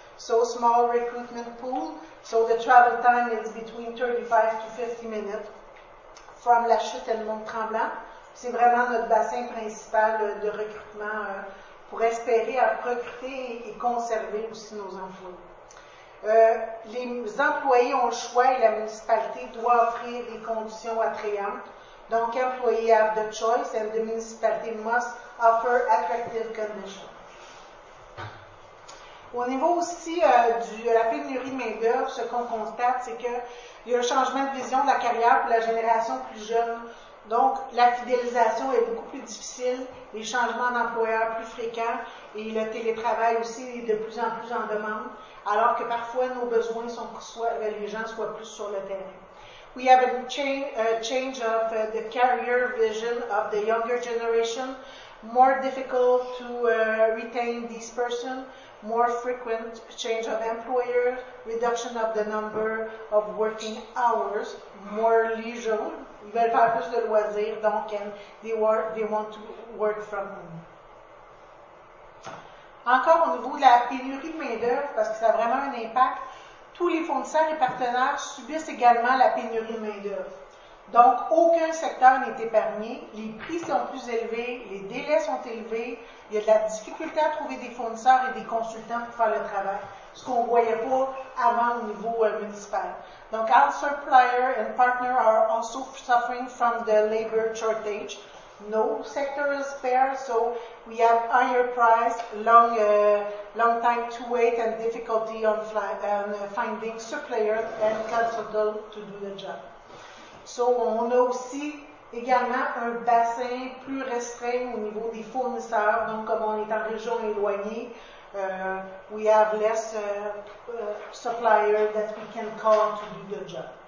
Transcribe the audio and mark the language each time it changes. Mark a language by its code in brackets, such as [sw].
[en] So small recruitment pool, so the travel time is between 35 to 50 minutes from La Chute et le Mont-Tremblant. [fr] C'est vraiment notre bassin principal de recrutement pour espérer à recruter et conserver aussi nos employés. Les employés ont le choix et la municipalité doit offrir des conditions attrayantes. [en] Donc, employees have the choice and the municipality must offer attractive conditions. [fr] Au niveau aussi de la pénurie de main-d'œuvre, ce qu'on constate, c'est qu'il y a un changement de vision de la carrière pour la génération plus jeune. Donc, la fidélisation est beaucoup plus difficile, les changements d'employeur plus fréquents et le télétravail aussi est de plus en plus en demande, alors que parfois nos besoins sont que les gens soient plus sur le terrain. [en] We have a change of the career vision of the younger generation. More difficult to retain this person, more frequent change of employer, reduction of the number of working hours, more leisure. [fr] Ils veulent faire plus de loisirs, donc [en] they want to work from home. [fr] Encore au niveau de la pénurie de main-d'œuvre, parce que ça a vraiment un impact, tous les fournisseurs et partenaires subissent également la pénurie de main-d'œuvre. Donc, aucun secteur n'est épargné. Les prix sont plus élevés, les délais sont élevés. Il y a de la difficulté à trouver des fournisseurs et des consultants pour faire le travail, ce qu'on ne voyait pas avant au niveau municipal. [en] Donc, our supplier and partner are also suffering from the labor shortage. No sector is spare, so we have higher price, long time to wait, and difficulty on finding suppliers and consultants to do the job. [fr] So, on a aussi également un bassin plus restreint au niveau des fournisseurs. Donc, comme on est en région éloignée, [en] we have less suppliers that we can call to do the job.